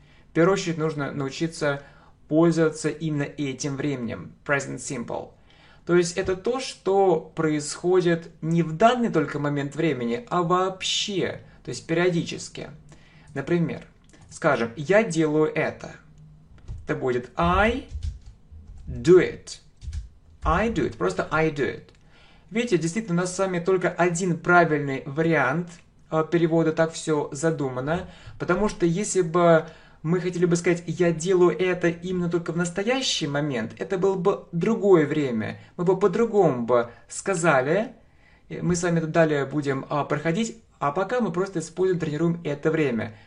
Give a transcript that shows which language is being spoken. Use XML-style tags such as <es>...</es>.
<ru>В первую очередь нужно научиться пользоваться именно этим временем, present simple. То есть это то, что происходит не в данный только момент времени, а вообще, то есть периодически. Например, скажем, я делаю это. Это будет</ru> <en>I do it. I do it,</en> <ru>просто</ru> <en>I do it.</en> <ru>Видите, действительно, у нас с вами только один правильный вариант перевода, так все задумано, потому что если бы мы хотели бы сказать, я делаю это именно только в настоящий момент, это было бы другое время. Мы бы по-другому бы сказали, мы с вами далее будем проходить, а пока мы просто используем, тренируем это время.</ru>